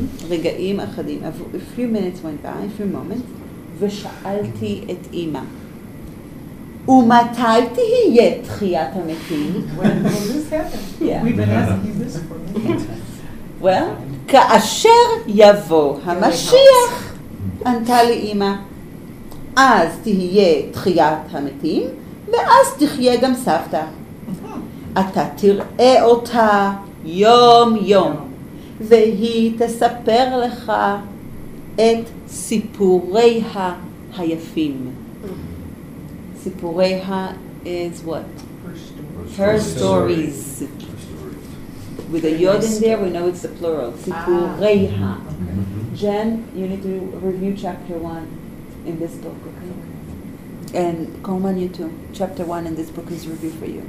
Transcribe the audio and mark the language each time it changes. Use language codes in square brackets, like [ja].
[he] Regaim achadim. [en] A few minutes went by, a few moments. [he] Veshaalti et ima. Umatai tihiye tchiyat ha-metim. [en] When will this happen? Yeah. We've been asking this for [he] Well, ka'asher yavo ha-mashiach. ענתה לי אמא, אז תהיה תחיית המתים, ואז תחיה גם סבתא. אתה תראה אותה יום-יום, והיא תספר לך את סיפוריה היפים. [en] סיפוריה is what? Her stories. With a yod in there, we know it's the plural. סיפוריה. Jen, you need to review chapter 1 in this book, okay? And Coleman, you too. Chapter 1 in this book is review for you.